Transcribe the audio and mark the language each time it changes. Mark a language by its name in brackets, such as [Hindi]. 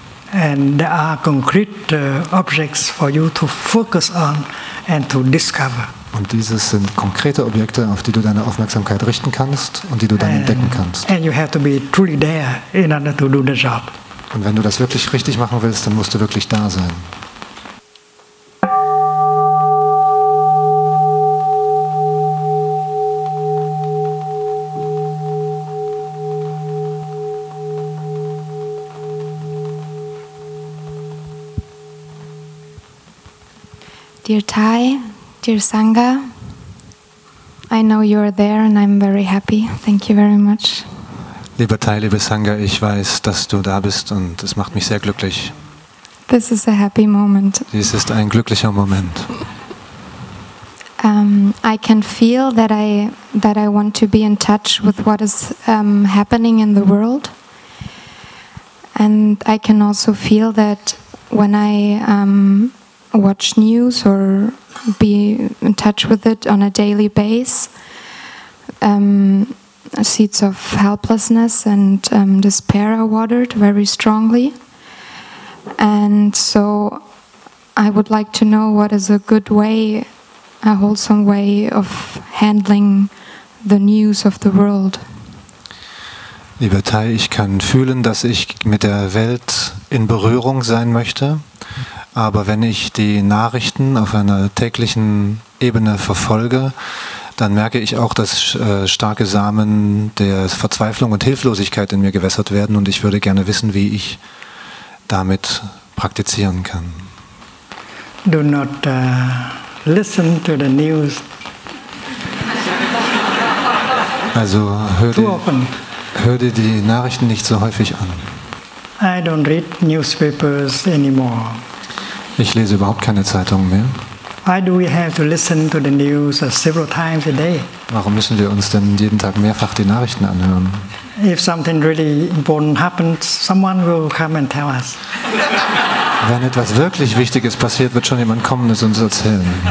[English] And there are concrete objects for you to focus on and to discover. [German] Und dieses sind konkrete Objekte, auf die du deine Aufmerksamkeit richten kannst und die du dann entdecken kannst. [English] And you have to be truly there in order to do the job. [German] Und wenn du das wirklich richtig machen willst, dann musst du wirklich da sein. [English] Dear Thay, dear Sangha, I know you are there and I'm very happy. Thank you very much. [German] Lieber Thay, liebe Sangha, ich weiß, dass du da bist und es macht mich sehr glücklich. [English] This is a happy moment. [German] Dies ist ein glücklicher Moment. [English] I can feel that I want to be in touch with what is happening in the world. And I can also feel that when I watch news or be in touch with it on a daily basis, seeds of helplessness and despair are watered very strongly. And so I would like to know what is a good way, a wholesome way of handling the news of the world. [German] Lieber Tai, ich kann fühlen, dass ich mit der Welt in Berührung sein möchte, aber wenn ich die Nachrichten auf einer täglichen Ebene verfolge, dann merke ich auch, dass starke Samen der Verzweiflung und Hilflosigkeit in mir gewässert werden und ich würde gerne wissen, wie ich damit praktizieren kann. [English] Do not listen to the news. [German] Also hör dir die Nachrichten nicht so häufig an. [English] I don't read newspapers anymore. [German] Ich lese überhaupt keine Zeitungen mehr. [English] Why do we have to listen to the news several times a day? [German] Warum müssen wir uns denn jeden Tag mehrfach die Nachrichten anhören? [English] If something really important happens, someone will come and tell us. [German] Wenn etwas wirklich Wichtiges passiert, wird schon jemand kommen und es uns erzählen.